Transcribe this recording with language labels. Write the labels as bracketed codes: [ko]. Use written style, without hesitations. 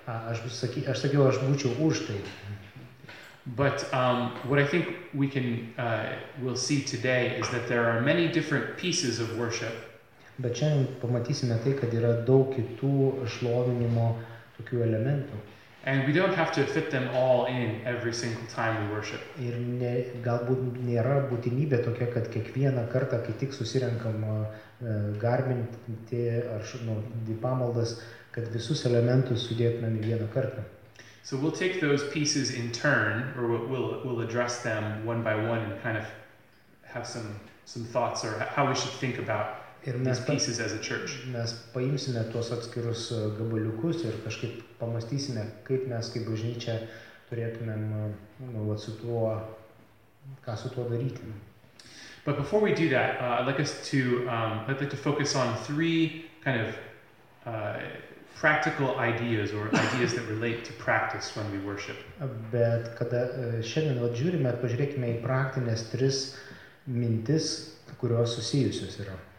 [lt] Aš sakiau, aš būčiau už tai. [en] But what I think we can we'll see today is that there are many different pieces of worship. [lt] Bet šiandien pamatysime tai, kad yra daug kitų šlovinimo tokių elementų. [en] And we don't have to fit them all in every single time we worship. [lt] Ir galbūt nėra būtinybė tokia, kad kiekvieną kartą, kai tik susirenkam garbinti ar į pamaldas, kad visus elementus sudėtumėm į vieną kartą. [en] So we'll take those pieces in turn, or we'll address them one by one and kind of have some thoughts or how we should think about these pieces as a church. [lt] Mes paimsime tuos atskirus gabaliukus ir kažkaip pamastysime, kaip mes kaip bažnyčia turėtumėm su tuo, ką su tuo daryti. [en] But before we do that, I'd like to focus on three kind of practical ideas or ideas that relate to practice when we worship. [lt] Bet kada šiandien vat žiūrime, pažiūrėkime į praktinės tris mintis, kurios susijusios yra.